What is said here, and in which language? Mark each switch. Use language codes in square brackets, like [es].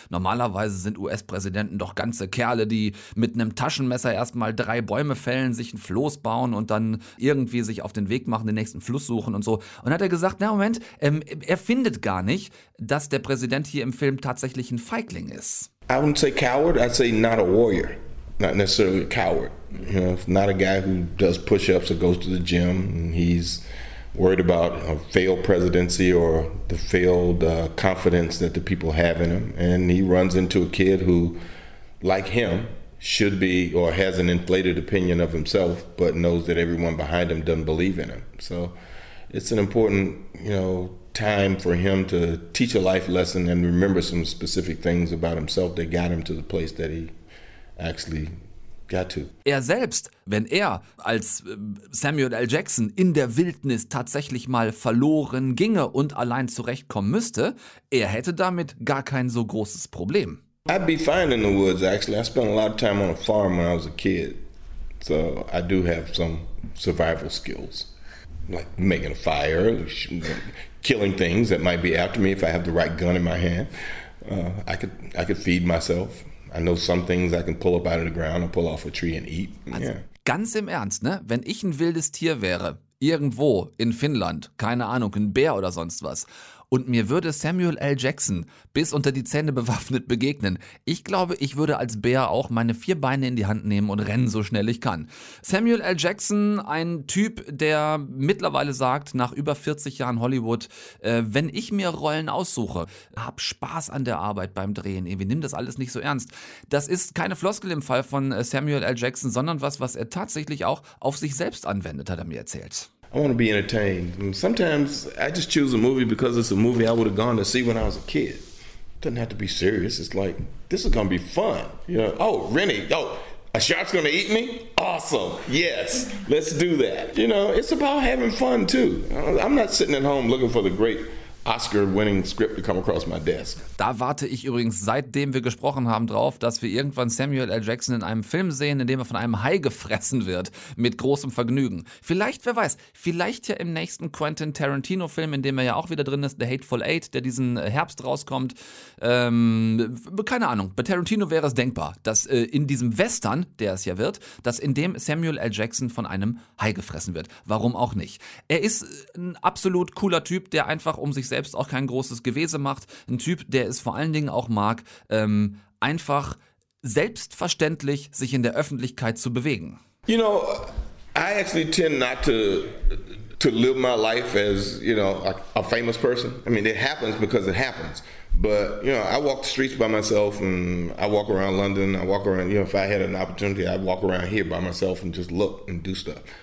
[de] Normalerweise sind US-Präsidenten doch ganze Kerle, die mit einem Taschenmesser erstmal drei Bäume fällen, sich ein Floß bauen und dann irgendwie sich auf den Weg machen, den nächsten Fluss suchen und so. Und hat er gesagt, na Moment, er findet gar nicht, dass der Präsident hier im Film tatsächlich ein Feigling ist. [en] I wouldn't say coward, I'd say not a warrior. Not necessarily a coward. You know, not a guy who does push-ups or goes to the gym. He's worried about a failed presidency or the failed confidence that the people have in him. And he runs into a kid who, like him, should be or has an inflated opinion of himself, but knows that everyone behind him doesn't believe in him. So it's an important, you know, time for him to teach a life lesson and remember some specific things about himself that got him to the place that he actually got to. [de] Er selbst, wenn er als Samuel L. Jackson in der Wildnis tatsächlich mal verloren ginge und allein zurechtkommen müsste, er hätte damit gar kein so großes Problem. [en] I'd be fine in the woods, actually. I spent a lot of time on a farm when I was a kid. So I do have some survival skills, like making a fire, killing things that might be after me if I have the right gun in my hand. I could feed myself. I know some things I can pull up out of the ground and pull off a tree and eat. [de] Also, yeah. Ganz im Ernst, ne? Wenn ich ein wildes Tier wäre, irgendwo in Finnland, keine Ahnung, ein Bär oder sonst was, und mir würde Samuel L. Jackson bis unter die Zähne bewaffnet begegnen. Ich glaube, ich würde als Bär auch meine vier Beine in die Hand nehmen und rennen, so schnell ich kann. Samuel L. Jackson, ein Typ, der mittlerweile sagt, nach über 40 Jahren Hollywood, wenn ich mir Rollen aussuche, hab Spaß an der Arbeit beim Drehen, irgendwie nimm das alles nicht so ernst. Das ist keine Floskel im Fall von Samuel L. Jackson, sondern was er tatsächlich auch auf sich selbst anwendet, hat er mir erzählt. [en] I want to be entertained. Sometimes I just choose a movie because it's a movie I would have gone to see when I was a kid. Doesn't have to be serious. It's like, this is going to be fun. You know, oh, Rennie, oh, a shark's going to eat me? Awesome. Yes, let's do that. You know, it's about having fun too. I'm not sitting at home looking for the great Oscar-winning script to come across my desk. [de] Da warte ich übrigens, seitdem wir gesprochen haben, drauf, dass wir irgendwann Samuel L. Jackson in einem Film sehen, in dem er von einem Hai gefressen wird, mit großem Vergnügen. Vielleicht, wer weiß, vielleicht ja im nächsten Quentin Tarantino-Film, in dem er ja auch wieder drin ist, The Hateful Eight, der diesen Herbst rauskommt. Keine Ahnung, bei Tarantino wäre es denkbar, dass in diesem Western, der es ja wird, dass in dem Samuel L. Jackson von einem Hai gefressen wird. Warum auch nicht? Er ist ein absolut cooler Typ, der einfach um sich selbst auch kein großes Gewese macht. Ein Typ, der es vor allen Dingen auch mag, einfach selbstverständlich sich in der Öffentlichkeit zu bewegen. [en] You know, I actually tend not to live my life as, you know, a famous person. I mean, it happens because it happens. But, you know, I walk the streets by myself and I walk around London. I walk around, you know, if I had an opportunity, I'd walk around here by myself and just look and do stuff.